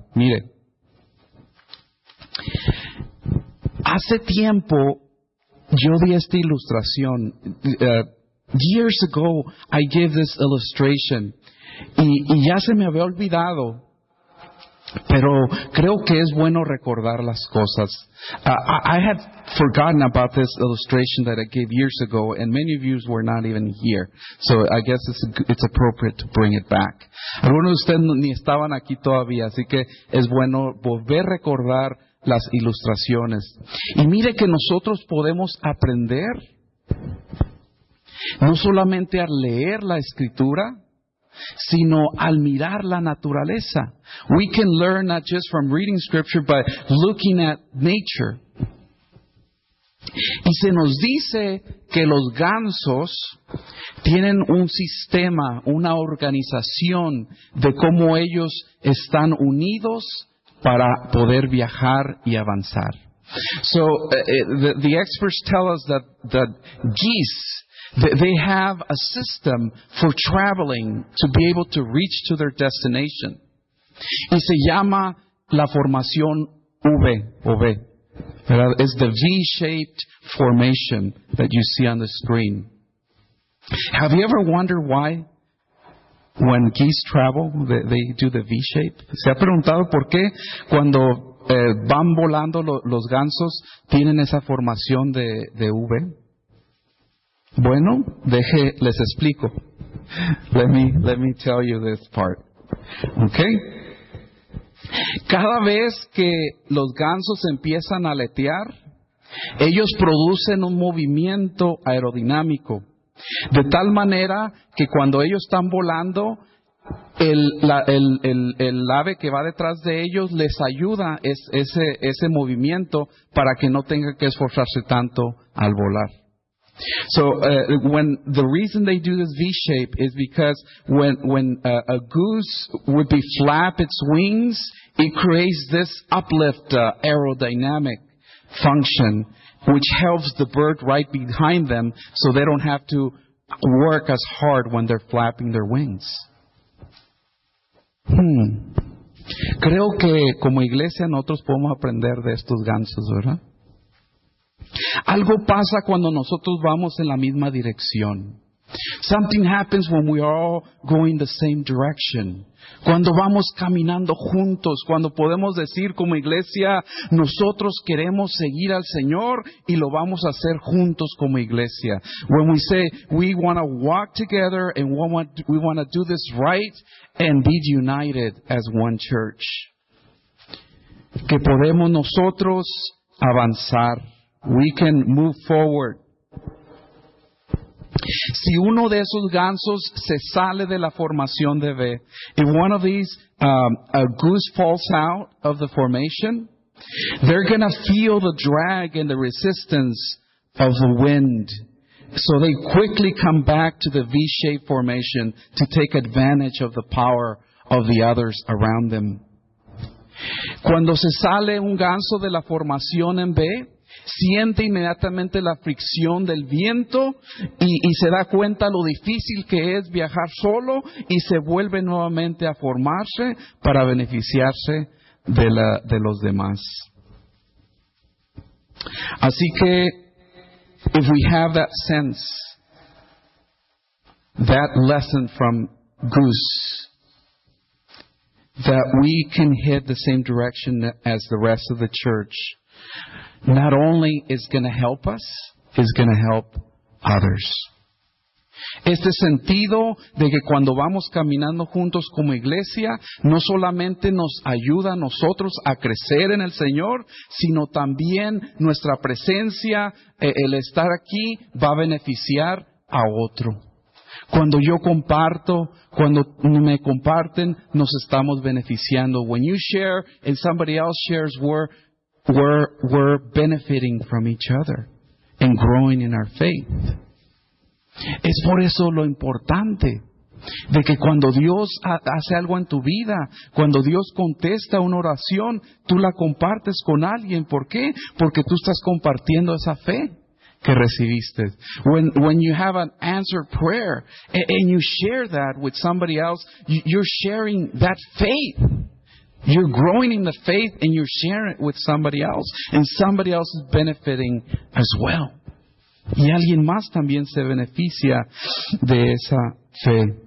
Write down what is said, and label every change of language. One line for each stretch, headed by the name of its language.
Spanish: Mire, hace tiempo yo di esta ilustración.
English: Years ago, I gave this illustration.
Spanish: Y ya se me había olvidado, pero creo que es bueno recordar las cosas.
English: I had forgotten about this illustration that I gave years ago, and many of you were not even here. So I guess it's appropriate to bring it back.
Spanish: Algunos de ustedes ni estaban aquí todavía, así que es bueno volver a recordar las ilustraciones. Y mire que nosotros podemos aprender no solamente al leer la Escritura, sino al mirar la naturaleza.
English: We can learn not just from reading Scripture, but looking at nature.
Spanish: Y se nos dice que los gansos tienen un sistema, una organización de cómo ellos están unidos para poder viajar y avanzar.
English: So, the experts tell us that geese, they have a system for traveling to be able to reach to their destination.
Spanish: Y se llama la formación V, o V.
English: It's the V-shaped formation that you see on the screen. Have you ever wondered why? When geese travel, they do the V-shape.
Spanish: ¿Se ha preguntado por qué cuando van volando los gansos tienen esa formación de V? Bueno, les explico.
English: Let me tell you this part. Okay?
Spanish: Cada vez que los gansos empiezan a aletear, ellos producen un movimiento aerodinámico. De tal manera que cuando ellos están volando, el ave que va detrás de ellos les ayuda ese movimiento para que no tenga que esforzarse tanto al volar.
English: So when the reason they do this V shape is because when a goose would be flap its wings, it creates this uplift aerodynamic function, which helps the bird right behind them so they don't have to work as hard when they're flapping their wings.
Spanish: Creo que como iglesia nosotros podemos aprender de estos gansos, ¿verdad? Algo pasa cuando nosotros vamos en la misma dirección.
English: Something happens when we are all going the same direction.
Spanish: Cuando vamos caminando juntos, cuando podemos decir como iglesia, nosotros queremos seguir al Señor y lo vamos a hacer juntos como iglesia.
English: When we say we want to walk together and we want to do this right and be united as one church.
Spanish: que podemos nosotros avanzar.
English: We can move forward.
Spanish: Si uno de esos gansos se sale de la formación de B,
English: if one of these a goose falls out of the formation, they're going to feel the drag and the resistance of the wind. So they quickly come back to the V-shaped formation to take advantage of the power of the others around them.
Spanish: Cuando se sale un ganso de la formación en B, siente inmediatamente la fricción del viento y se da cuenta lo difícil que es viajar solo y se vuelve nuevamente a formarse para beneficiarse de los demás. Así que,
English: if we have that sense, that lesson from Goose, that we can head the same direction as the rest of the church, not only is going to help us, it's going to help others.
Spanish: Este sentido de que cuando vamos caminando juntos como iglesia, no solamente nos ayuda a nosotros a crecer en el Señor, sino también nuestra presencia, el estar aquí, va a beneficiar a otro. Cuando yo comparto, cuando me comparten, nos estamos beneficiando.
English: When you share and somebody else shares, we're benefiting from each other and growing in our faith.
Spanish: Es por eso lo importante de que cuando Dios hace algo en tu vida, cuando Dios contesta una oración, tú la compartes con alguien. ¿Por qué? Porque tú estás compartiendo esa fe que recibiste.
English: When you have an answered prayer and you share that with somebody else, you're sharing that faith. You're growing in the faith and you're sharing it with somebody else. And somebody else is benefiting as well.
Spanish: Y alguien más también se beneficia de esa fe.